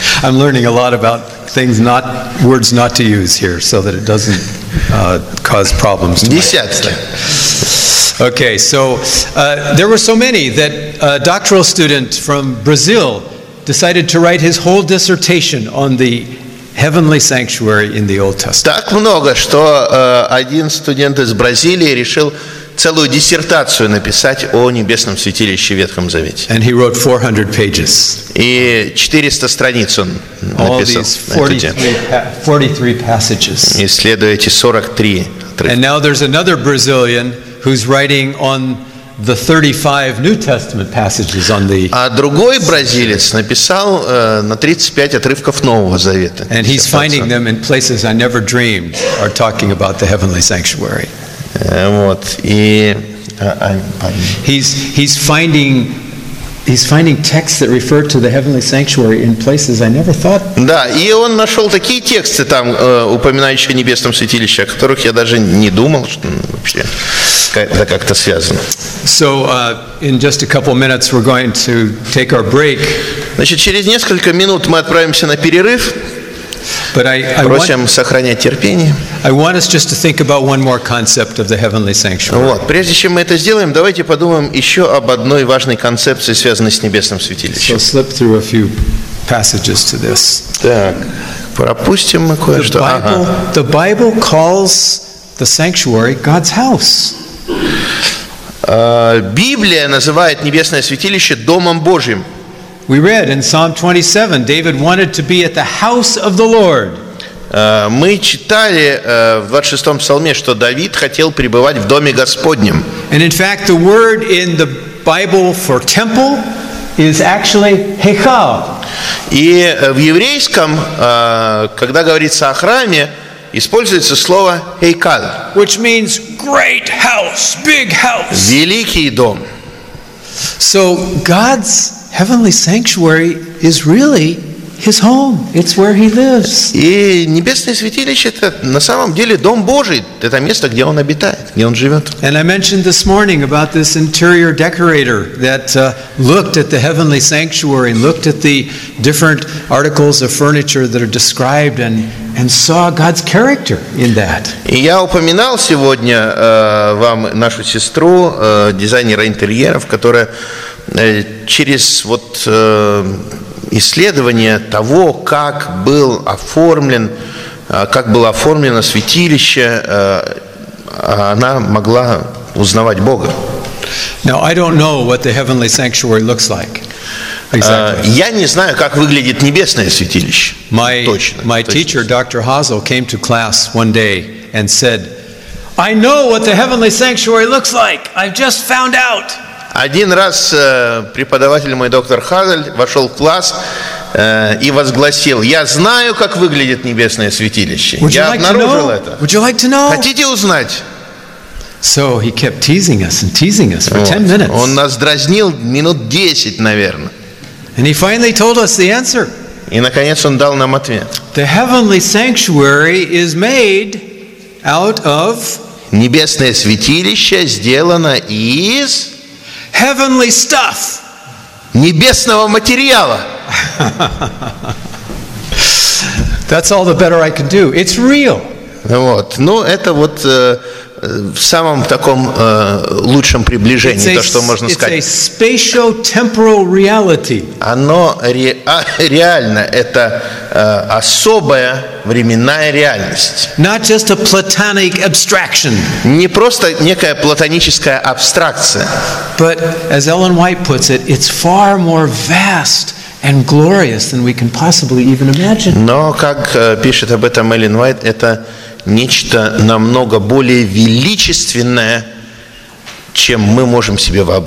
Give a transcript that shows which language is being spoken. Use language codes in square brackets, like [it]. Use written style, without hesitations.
[en] I'm learning a lot about things not words not to use here, so that it doesn't cause problems. [ru] Десятки. [en] Okay, so there were so many that a doctoral student from Brazil decided to write his whole dissertation on the heavenly sanctuary in the Old Testament. [ru] Так много, что один студент из Бразилии решил целую диссертацию написать о небесном святилище в Ветхом Завете. [en] And he wrote 400 pages. [ru] И 400 страниц он написал. [en] All these 43 passages. [ru] Исследуя эти 43 отрывка. [en] And now there's another Brazilian who's writing on the 35 New Testament passages on the. [ru] А другой бразилец написал на 35 отрывков Нового Завета. [en] And he's finding them in places I never dreamed are talking about the heavenly sanctuary. [ru] Вот. И [en] he's finding texts that refer to the heavenly sanctuary in places I never thought. [ru] Да, и он нашел такие тексты там, упоминающие о небесном святилище, о которых я даже не думал, что вообще это как-то связано. [en] So, in just a couple minutes, we're going to take our break. [ru] Значит, через несколько минут мы отправимся на перерыв. Просим сохранять терпение. [en] I want us just to think about one more concept of the heavenly sanctuary. [ru] Вот, прежде чем мы это сделаем, давайте подумаем еще об одной важной концепции, связанной с небесным святилищем. [en] So slip through a few passages to this. [ru] Так, пропустим мы кое-что. [en] The Bible calls the sanctuary God's house. [ru] Библия называет небесное святилище домом Божьим. [en] We read in Psalm 27, David wanted to be at the house of the Lord. [ru] Мы читали в 26-м псалме, что Давид хотел пребывать в доме Господнем. [en] And in fact, the word in the Bible for temple is actually heichal. [ru] И в еврейском, когда говорится о храме, используется слово heichal, [en] which means great house, big house. [ru] Великий дом. [en] So God's heavenly sanctuary is really his home. It's where he lives. [ru] И небесное святилище это на самом деле дом Божий. Это место, где он обитает, где он живет. [en] And I mentioned this morning about this interior decorator that looked at the heavenly sanctuary and looked at the different articles of furniture that are described and saw God's character in that. [ru] И я упоминал сегодня вам нашу сестру, дизайнера интерьеров, которая через вот исследование того, как был оформлен, как было оформлено святилище, она могла узнавать Бога. [en] Now, I don't know what the heavenly sanctuary looks like. Exactly. [ru] Я не знаю, как выглядит небесное святилище. Точно. [en] Teacher, Dr. Hazel, came to class one day and said, I know what the heavenly sanctuary looks like. I've just found out. [ru] Один раз преподаватель мой, доктор Хазель, вошел в класс и возгласил, «Я знаю, как выглядит небесное святилище». [en] Would [ru] Я обнаружил это. [en] Would you like to know? [ru] Хотите узнать? [en] So he kept teasing us and teasing us for 10 minutes. [ru] Он нас дразнил минут 10, наверное. [en] And he finally told us the answer. [ru] И, наконец, он дал нам ответ. [en] The heavenly sanctuary is made out of... [ru] Небесное святилище сделано из... [en] Heavenly stuff. [ru] Небесного материала. [en] That's all the better I can do. It's real. [ru] Вот. Ну, это вот в самом таком лучшем приближении, то, что можно сказать. [en] It's a spatio-temporal reality. [ru] Оно реально. Это особая временная реальность. [en] Not just a platonic abstraction. [ru] Не просто некая платоническая абстракция. [en] But, as Ellen White puts it, it's far more vast and glorious than we can possibly even imagine. [ru] Но, как пишет об этом Эллен Уайт, это нечто намного более величественное, чем мы можем себе